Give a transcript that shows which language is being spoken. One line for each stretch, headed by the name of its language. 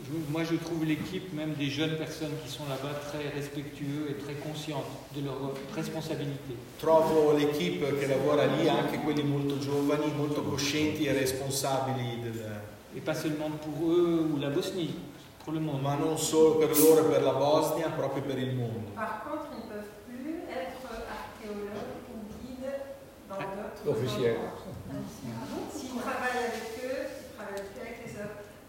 French: Moi je trouve l'équipe, même des jeunes personnes qui sont là-bas, très respectueux et très conscientes de leur responsabilité.
Italian: Trovo l'équipe qui lavora lì, anche quelli molto giovani, molto coscienti e responsabili.
French: Et pas seulement pour eux ou la Bosnie, pour le monde.
Italian: Ma non solo per loro e per la Bosnia, proprio per il mondo.
French: Par contre, ils ne peuvent plus être archéologues ou guides dans notre. Officiel. S'ils travaillent avec eux, s'ils travaillent plus avec les autres.